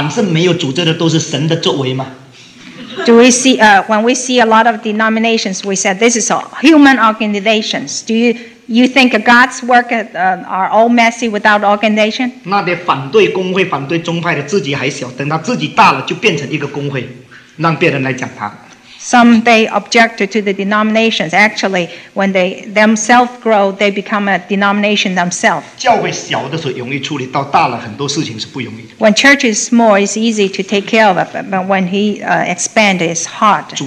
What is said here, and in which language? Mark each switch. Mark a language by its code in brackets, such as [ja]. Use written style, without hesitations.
[zh] 看许多大宗派、大公会，我们很反对，这些都是人的作为。那么，反正没有组织的，都是神的作为嘛。 [en] Do we see when we see a lot of denominations, we said this is a human organizations. Do you think God's work are all messy without organization? [zh] 那些反对公会、反对宗派的，自己还小，等他自己大了，就变成一个公会。 [en] Some they object to the denominations. Actually, when they themselves grow, they become a denomination themselves. When church is small, it's easy to take care of, but when he expands, it's hard.